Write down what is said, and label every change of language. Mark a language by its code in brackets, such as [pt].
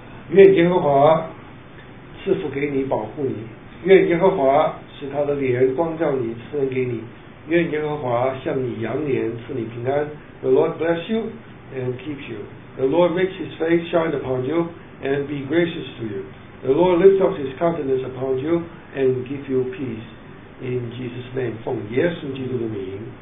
[zh] 愿耶和华赐福给你，保护你，愿耶和华使他的脸光照你，赐恩给你，愿耶和华向你扬脸，赐你平安。 [en] The Lord bless you and keep you. The Lord make his face shine upon you and be gracious to you. The Lord lift up his countenance upon you and give you peace. In Jesus' name, [zh] 奉耶稣基督的名。